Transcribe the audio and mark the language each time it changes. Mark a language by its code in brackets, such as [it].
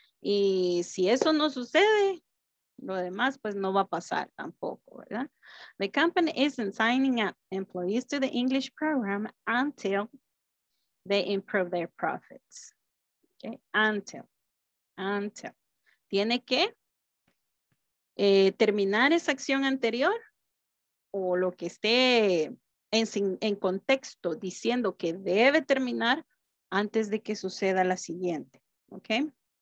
[es] Y si eso no sucede, lo demás pues no va a pasar tampoco, ¿verdad? [en] The company isn't signing up employees to the English program until they improve their profits. ¿Ok? Until. [es] Tiene que terminar esa acción anterior o lo que esté en contexto diciendo que debe terminar antes de que suceda la siguiente, ¿ok?